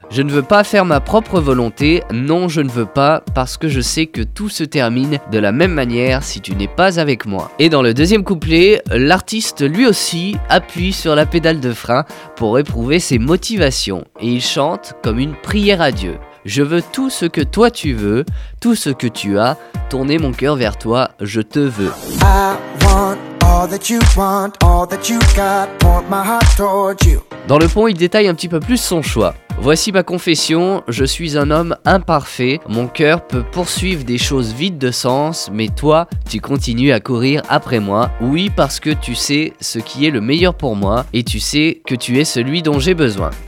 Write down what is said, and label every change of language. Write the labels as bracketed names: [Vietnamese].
[French] Je ne veux pas faire ma propre volonté, non je ne veux pas, parce que je sais que tout se termine de la même manière si tu n'es pas avec moi. Et dans le deuxième couplet, l'artiste lui aussi appuie sur la pédale de frein pour éprouver ses motivations, et il chante comme une prière à Dieu. Je veux tout ce que toi tu veux, tout ce que tu as, tourner mon cœur vers toi, je te veux. [English] I want all that you want, all that you got, point my heart towards you. [French] Dans le pont, il détaille un petit peu plus son choix. Voici ma confession, je suis un homme imparfait, mon cœur peut poursuivre des choses vides de sens, mais toi, tu continues à courir après moi. Oui, parce que tu sais ce qui est le meilleur pour moi, et tu sais que tu es celui dont j'ai besoin.